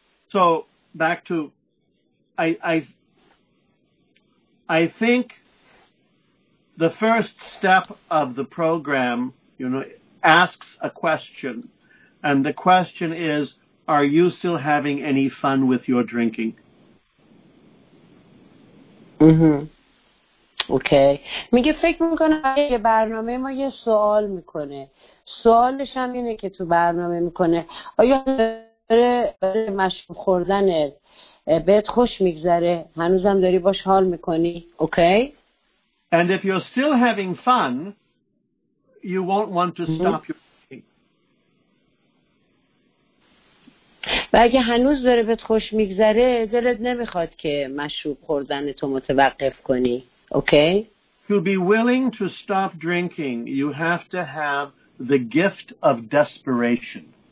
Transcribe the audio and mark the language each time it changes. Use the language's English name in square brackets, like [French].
[English] So back to, I think the first step of the program, you know, asks a question. And the question is, are you still having any fun with your drinking? [Persian] مهم. اوکی. میگه فکر میکنه یه برنامه ما یه سوال میکنه. سوالش هم اینه که تو برنامه میکنه. آیا برای مشروب خوردنت بهت خوش میگذره؟ هنوزم داری باش حال میکنی؟ اوکی؟ [English] And if you're still having fun, you won't want to stop your [Persian] و اگه هنوز داره بهت خوش میگذره دلت نمیخواد که مشروب خوردن تو متوقف کنی. [English] Okay? To be willing to stop drinking, you have to have the gift of desperation.